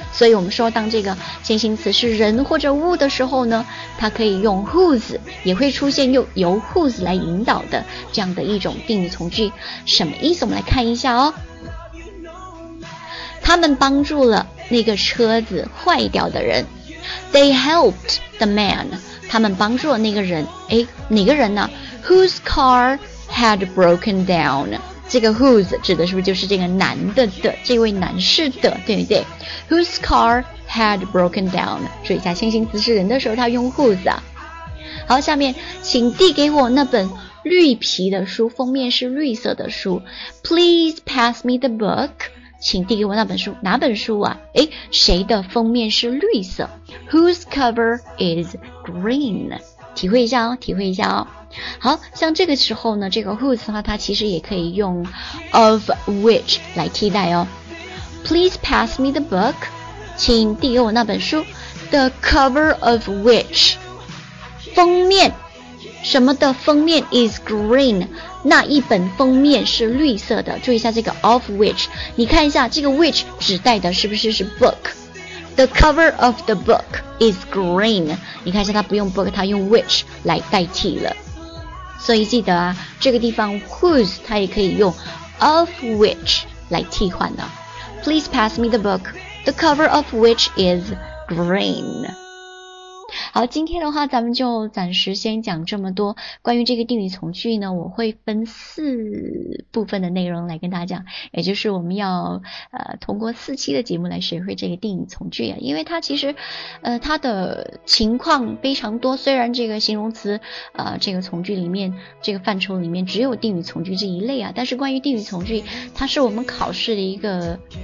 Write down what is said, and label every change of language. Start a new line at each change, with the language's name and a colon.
Chinese: 所以我们说当这个先行词是人或者物的时候呢，它可以用 whose， 也会出现用由 whose 来引导的这样的一种定语从句。什么意思？我们来看一下哦。他们帮助了那个车子坏掉的人。
English: They helped the man，
Chinese: 他们帮助了那个人。诶，哪个人呢？
English: Whose car had broken down。
Chinese: 这个 whose 指的是不是就是这个男的的，这位男士的，对不对？
English: Whose car had broken down，
Chinese: 注意一下先行词是人的时候他用 whose 啊。好，下面请递给我那本绿皮的书，封面是绿色的书。
English: Please pass me the book，
Chinese: 请递给我那本书。哪本书啊？诶，谁的封面是绿色？
English: Whose cover is green。
Chinese: 体会一下哦，体会一下哦。好，像这个时候呢，这个 whose 的话它其实也可以用 of which 来替代哦。
English: Please pass me the book，
Chinese: 请递给我那本书。
English: The cover of which， 封面
Chinese: 什么的封面
English: is green，
Chinese: 那一本封面是绿色的。注意一下这个 of which， 你看一下这个 which 指代的是不是是 book。
English: The cover of the book is green，
Chinese: 你看一下它不用 book， 它用 which 来代替了。所以记得啊，这个地方 whose 它也可以用 of which 来替换呢。
English: Please pass me the book, the cover of which is green。
Chinese: 好，今天的话咱们就暂时先讲这么多。关于这个定语从句呢，我会分四部分的内容来跟大家讲，也就是我们要通过四期的节目来学会这个定语从句啊。因为它其实它的情况非常多，虽然这个形容词这个从句里面这个范畴里面只有定语从句这一类啊，但是关于定语从句它是我们考试的一个